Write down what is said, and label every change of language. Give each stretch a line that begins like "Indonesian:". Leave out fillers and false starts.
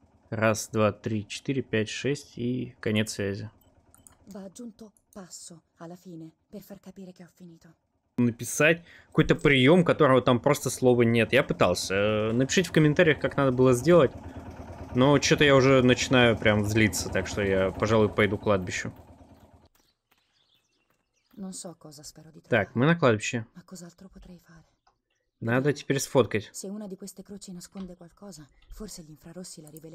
Russian: Раз, два, три, четыре, пять, шесть и конец связи.
Italian: Va aggiunto passo alla fine per far capire che ho finito.
Russian: Написать какой-то прием, которого там просто слова нет. Я пытался. Напишите в комментариях, как надо было сделать. Но что-то я уже начинаю прям злиться, так что я, пожалуй, пойду к кладбищу.
Italian: Non so cosa spero di trovare.
Russian: Так, мы на кладбище.
Italian: Ma cos'altro potrei fare?
Russian: Надо теперь сфоткать.
Italian: Se una di queste croci nasconde qualcosa, forse gli infrarossi la rivelano.